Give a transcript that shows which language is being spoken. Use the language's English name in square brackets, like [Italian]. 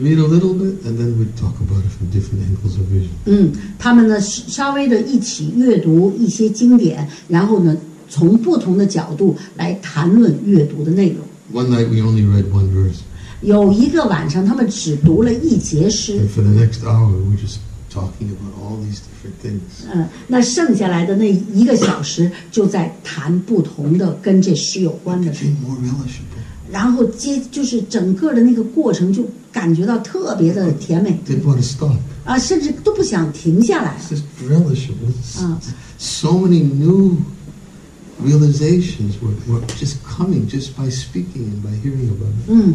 [English] read a little bit, and then we'd talk about it from different angles of vision. [Chinese] 他们呢稍微的一起阅读一些经典，然后呢。从不同的角度来谈论阅读的内容。 [English] One night we only read one verse. [Chinese] 有一个晚上，他们只读了一节诗。 [English] And for the next hour, we're just talking about all these different things. [Chinese] 那剩下来的那一个小时，就在谈不同的跟这诗有关的。 [English] It became more relishable. [Chinese] 然后就是整个的那个过程，就感觉到特别的甜美。 [English] Didn't want to stop. [Chinese] 甚至都不想停下来。 [English] It's just relishable. So many new realizations were just coming just by speaking and by hearing about it.